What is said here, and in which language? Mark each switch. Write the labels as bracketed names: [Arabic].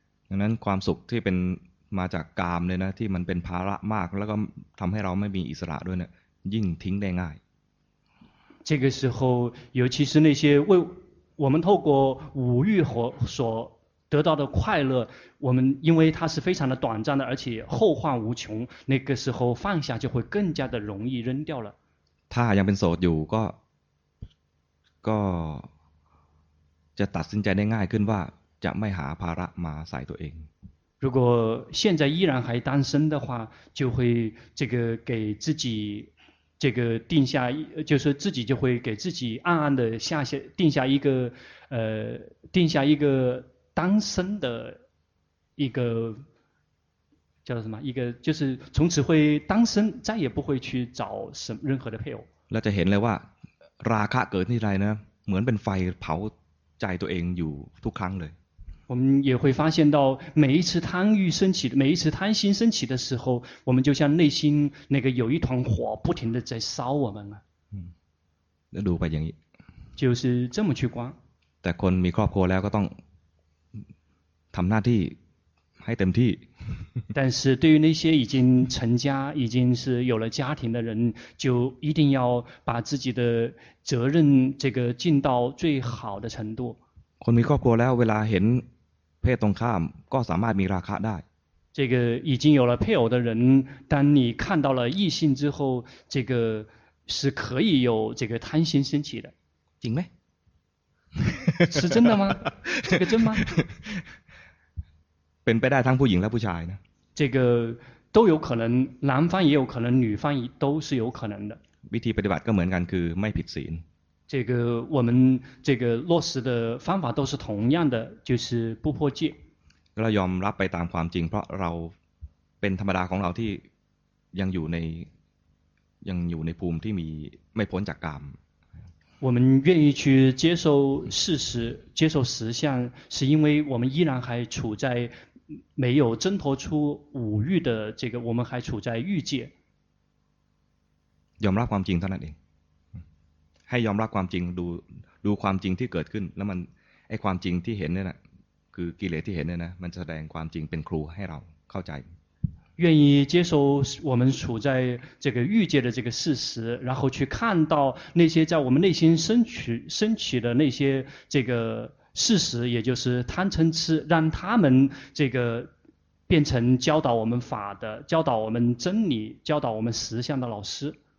[Thai] ดังนั้นความสุขที่เป็นมาจากกามเลยนะที่มันเป็นภาระมากแล้วก็ทำให้เราไม่มีอิสระด้วยเนี่ยยิ่งทิ้งได้ง่าย [Chinese] 这个时候尤其是那些为我们透过五欲和所得到的快乐我们因为它是非常的短暂的而且后患无穷那个时候放下就会更加的容易扔掉了他还要变手有个个 [Thai] จะตัดสินใจได้ง่ายขึ้นว่าจะไม่หาภาระมาใส่ตัวเอง [Chinese] 如果现在依然还单身的话就会这个给自己这个定下就是自己就会给自己暗暗的定下一个单身的一个叫什么一个就是从此会单身再也不会去找什么任何的配偶 [Thai] แล้วจะเห็นเลยว่าราคะเกิดที่ไรนะเหมือนเป็นไฟเผาใจตัวเองอยู่ทุกครั้งเลย [Chinese] 我们也会发现到每一次贪欲升起每一次贪心升起的时候我们就像内心那个有一团火不停的在烧我们 [Thai] 那ดูไปอย่างนี้ [Chinese] 就是这么去观 [Thai] แต่คนมีครอบครัวแล้วก็ต้องทำหน้าที่ให้เต็มที่ [Chinese] 但是对于那些已经成家已经是有了家庭的人就一定要把自己的责任这个尽到最好的程度 [Thai] คนมีครอบครัวแล้วเวลาเห็นเพศตรงข้ามก็สามารถมีราคะได้ [Chinese] 这个已经有了配偶的人当你看到了异性之后这个是可以有这个贪心升起的 [Thai] จริงไหม [Chinese] 是真的吗这个真吗 [Thai] เป็นไปได้ทั้งผู้หญิงและผู้ชายนะ [Chinese] 这个都有可能男方也有可能女方都是有可能的 [Thai] วิธีปฏิบัติก็เหมือนกันคือไม่ผิดศีล [Chinese] 这个我们这个落实的方法都是同样的就是不破戒 [Thai] เรายอมรับไปตามความจริงเพราะเราเป็นธรรมดาของเราที่ยังอยู่ในภูมิที่มีไม่พ้นจากกาม [Chinese] 我们愿意去接受事实接受实相是因为我们依然还处在没有挣脱出五欲的这个我们还处在欲界 [Thai] ยอมรับความจริงเท่านั้นเองให้ยอมรับความจริงดูความจริงที่เกิดขึ้นแล้วมันไอ้ความจริงที่เห็นเนี่ยนะคือกิเลสที่เห็นเนี่ยนะมันจะแสดงความจริงเป็นครูให้เราเข้าใจ [Chinese] 愿意接受我们处在这个欲界的这个事实然后去看到那些在我们内心升起的那些这个事实也就是贪嗔痴让他们这个变成教导我们法的教导我们真理教导我们实相的老师